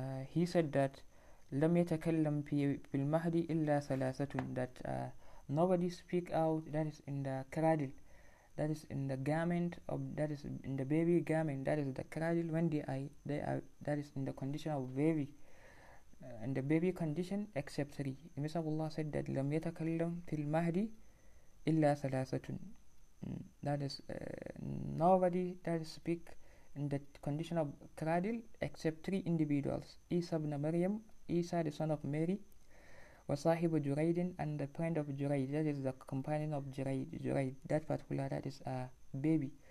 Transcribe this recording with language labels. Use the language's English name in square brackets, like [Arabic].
[English] He said that [Arabic] لم يتكلم في المهدي إلا ثلاثة, [English] that nobody speak out, that is, in the cradle, that is, in the garment of, that is, in the baby garment, that is, the cradle, when they are, that is, in the condition of baby, in the baby condition, except three. The Messenger of Allah said that [Arabic] لم يتكلم في المهدي إلا ثلاثة. [English] That is, nobody that speak in the condition of cradle except three individuals: Isa ibn Maryam, Isa the son of Mary, wa sahibu Juraidin, and the friend of Juraid, that is, the companion of Juraid, that particular, that is, a baby.